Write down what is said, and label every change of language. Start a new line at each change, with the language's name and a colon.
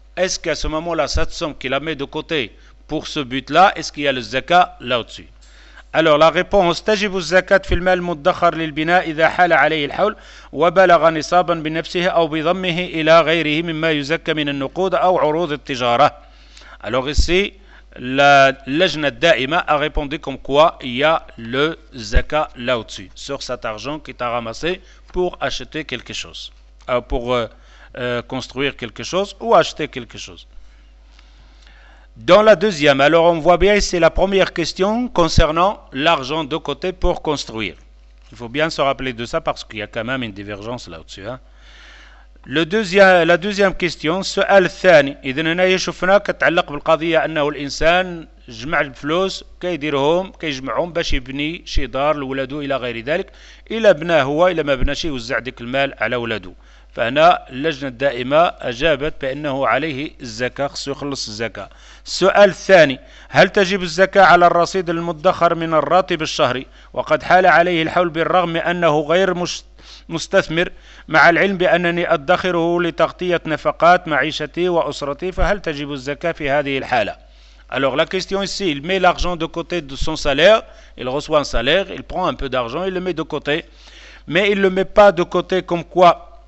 French: Est-ce qu'à ce moment-là, cette somme qu'il a mis de côté pour ce but-là, est-ce qu'il y a le zakat là-dessus? Alors la réponse,
Arabic: تجب الزكاة في المال المدخر للبناء إذا حال عليه الحول وبلغ نصابا بنفسه أو بضمه إلى غيره مما يزكى من النقود أو عروض التجارة.
French: Alors ici, la لجنة الدائمة a répondu comme quoi il y a le zakat là-dessus, sur cet argent qui t'a ramassé pour acheter quelque chose, pour construire quelque chose ou acheter quelque chose. Dans la deuxième, alors on voit bien, c'est la première question concernant l'argent de côté pour construire. Il faut bien se rappeler de ça parce qu'il y a quand même une divergence là-dessus. Hein. La deuxième question,
Arabic: سؤال الثاني, إذن هنا يشوفنا كتعلق بالقضية أنه الإنسان جمع الفلوس كيديرهم كيجمعهم باش يبني شي دار لولاده إلى غير ذلك إلى بناه هو إلى ما بناش يوزع ديك المال على ولاده. فهنا اللجنة الدائمة أجابت بأنه عليه الزكاة, خصو يخلص الزكاة. السؤال الثاني, هل تجب الزكاة على الرصيد المدخر من الراتب الشهري وقد حال عليه الحول بالرغم أنه غير مستثمر مع العلم بأنني أدخره لتغطية نفقات معيشتي وأسرتي, فهل تجب الزكاة في هذه الحالة؟
French: Alors la question ici, il met l'argent de côté de son salaire, il reçoit un salaire, il prend un peu d'argent, il le met de côté, mais il ne le met pas de côté comme quoi